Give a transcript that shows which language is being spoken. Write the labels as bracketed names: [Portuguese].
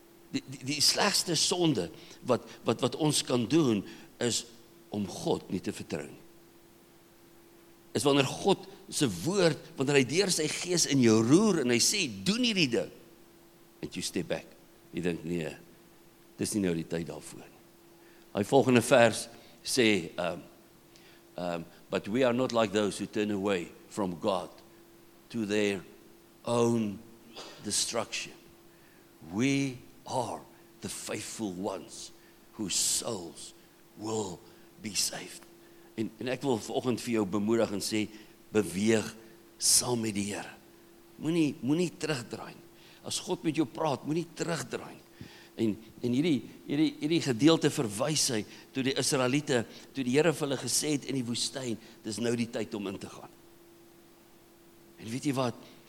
[Afrikaans] Die slegste sonde wat ons kan doen, is om God nie te vertrou. Is wanneer God se woord, wanneer hy deur sy gees in jou roer, en hy sê, doen hierdie ding, [English] and you step back. [Afrikaans] Jy dink, nee, dis nie nou die tyd daarvoor. Hy volgende vers sê, [English] but we are not like those who turn away from God to their own destruction. We are the faithful ones whose souls will be saved. [Afrikaans] En ek wil vanoggend vir jou bemoedig en sê, beweeg saam met die Here. Moenie terugdraai nie. As God met jou praat, moenie terugdraai nie. En hierdie gedeelte verwys hy toe die Israeliete, toe die Here vir hulle gesê het in die woestyn, dis nou die tyd om in te gaan. En weet jy wat?